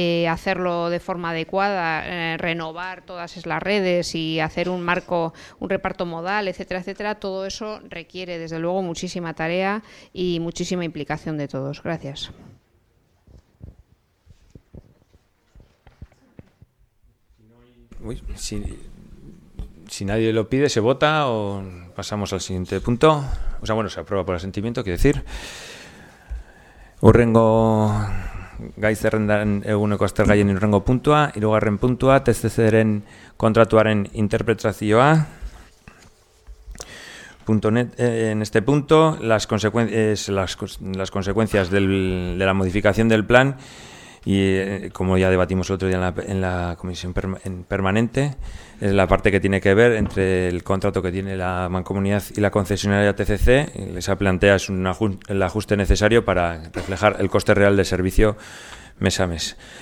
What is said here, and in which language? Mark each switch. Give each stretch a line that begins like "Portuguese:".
Spanish: hacerlo de forma adecuada, renovar todas las redes y hacer un marco, un reparto modal, etcétera, etcétera, todo eso requiere desde luego muchísima tarea y muchísima implicación de todos. Gracias. Uy, si nadie lo pide, ¿se vota o pasamos al siguiente punto? O sea, bueno, se aprueba por asentimiento, quiero decir.
Basque: Urrengo gai zerrendan eguneko aztergaien urrengo puntua, hirugarren puntua, TCC-ren kontratuaren interpretazioa.
Spanish: En este punto, las consecuencias de la modificación del plan y como ya debatimos el otro día en la comisión permanente, es la parte que tiene que ver entre el contrato que tiene la Mancomunidad y la concesionaria TCC, esa plantea es el ajuste necesario para reflejar el coste real del servicio mes a mes.